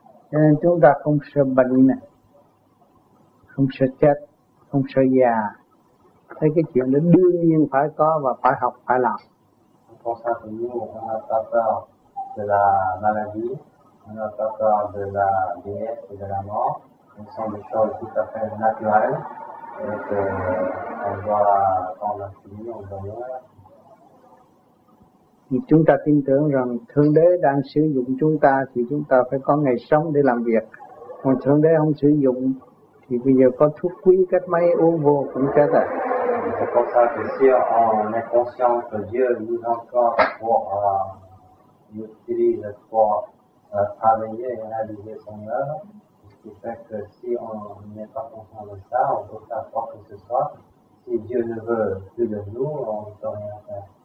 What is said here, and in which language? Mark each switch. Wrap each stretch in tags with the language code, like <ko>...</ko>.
<vi>Cho nên chúng ta không sợ bệnh nè, không sợ chết, không sợ già. Thấy cái chuyện đó đương nhiên phải có và phải học, phải làm.</vi> <fr>Pour ça, nous, on a pas peur de la maladie, on a pas peur de la vieillesse et de la mort. Ce sont des choses tout à fait naturelles. Et qu'on doit, quand on a fini, on doit mourir.</fr> <vi>Chúng ta tin tưởng rằng Thượng Đế đang sử dụng chúng ta thì chúng ta phải có ngày sống để làm việc. Còn Thượng Đế không sử dụng thì bây giờ có thuốc quý cách mấy uống vô cũng chết rồi.</vi> <fr>C'est pour ça que si on est conscient que Dieu nous encore pour nous utilise pour travailler et réaliser son œuvre, ce qui fait que si on n'est pas conscient de ça, on peut faire quoi que ce soit. Si Dieu ne veut plus de nous, on ne peut rien faire.</fr>